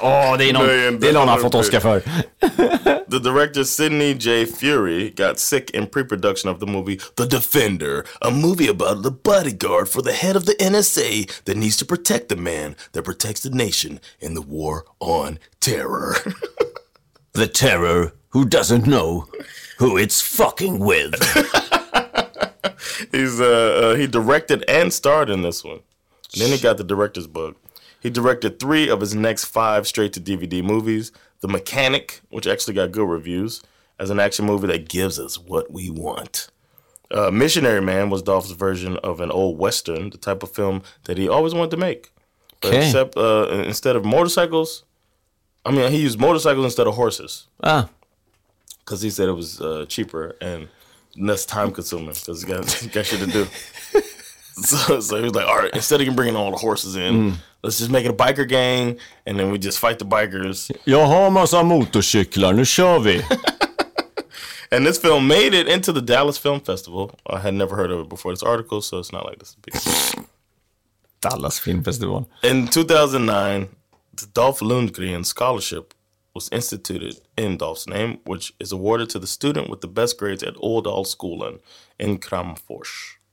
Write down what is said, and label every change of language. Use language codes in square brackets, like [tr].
[sv] Åh, [en] oh, [sv] det är någon, det är någon har fått Oscar för. [en] The director Sidney J. Fury got sick in pre-production of the movie The Defender, a movie about the bodyguard for the head of the NSA that needs to protect the man that protects the nation in the war on terror. The terror who doesn't know who it's fucking with. He directed and starred in this one. Then he got the director's bug. He directed three of his next five straight-to-DVD movies. The Mechanic, which actually got good reviews, as an action movie that gives us what we want. Missionary Man was Dolph's version of an old Western, the type of film that he always wanted to make. Okay. But except instead of motorcycles, I mean, he used motorcycles instead of horses. Ah. Because he said it was cheaper and... less time consuming because he got shit to do. So he was like, all right, instead of bringing all the horses in, let's just make it a biker gang and then we just fight the bikers. [sv] Jag har massa motorcyklar, nu kör vi. [en] And this film made it into the Dallas Film Festival. I had never heard of it before this article, so it's not like this. Dallas Film Festival. In 2009, the Dolph Lundgren Scholarship was instituted in Dolph's name, which is awarded to the student with the best grades at Ådalsskolan in Kramfors.